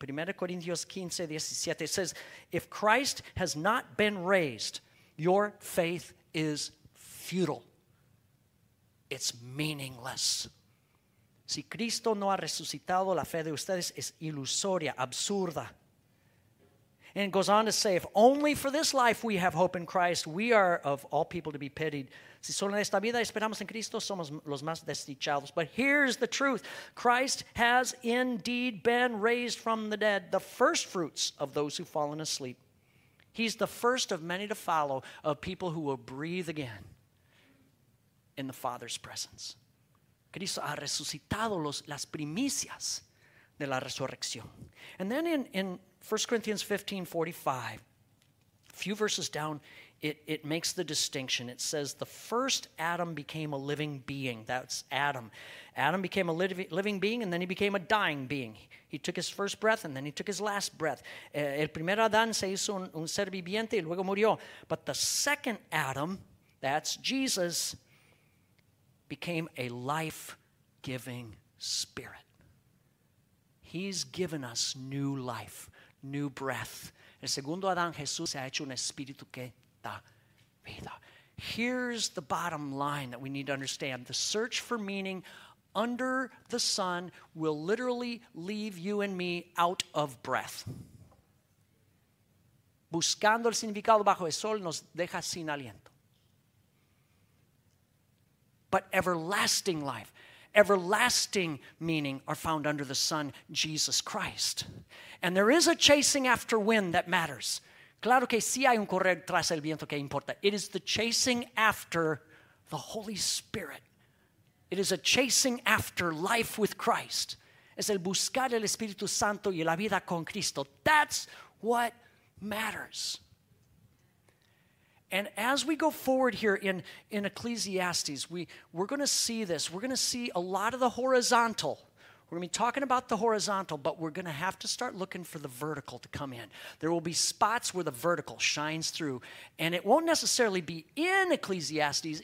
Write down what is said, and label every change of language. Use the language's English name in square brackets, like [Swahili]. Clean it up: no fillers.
[English] 1 Corinthians 15, 17 says, if Christ has not been raised, your faith is futile. It's meaningless. [Spanish] Si Cristo no ha resucitado, la fe de ustedes es ilusoria, absurda. [English] And it goes on to say, if only for this life we have hope in Christ, we are of all people to be pitied. [Spanish] Si solo en esta vida esperamos en Cristo, somos los más desdichados. [English] But here's the truth. Christ has indeed been raised from the dead, the first fruits of those who've fallen asleep. He's the first of many to follow, of people who will breathe again in the Father's presence. [Spanish] Cristo ha resucitado las primicias de la resurrección. [English] And then in 1 Corinthians 15, 45, a few verses down it makes the distinction. It says the first Adam became a living being. That's Adam. Adam became a living being, and then he became a dying being. He took his first breath, and then he took his last breath. [Spanish] El primer Adán se hizo un ser viviente y luego murió. [English] But the second Adam, that's Jesus, became a life-giving spirit. He's given us new life, new breath. [Spanish] El segundo Adán, Jesús, se ha hecho un espíritu que da vida. [English] Here's the bottom line that we need to understand. The search for meaning under the sun will literally leave you and me out of breath. [Spanish] Buscando el significado bajo el sol nos deja sin aliento. [English] But everlasting life, everlasting meaning are found under the sun, Jesus Christ. And there is a chasing after wind that matters. [Spanish] Claro que sí hay un correr tras el viento que importa. [English] It is the chasing after the Holy Spirit. It is a chasing after life with Christ. [Spanish] Es el buscar el Espíritu Santo y la vida con Cristo. [English] That's what matters. And as we go forward here in Ecclesiastes, we're going to see this. We're going to see a lot of the horizontal. We're going to be talking about the horizontal, but we're going to have to start looking for the vertical to come in. There will be spots where the vertical shines through. And it won't necessarily be in Ecclesiastes.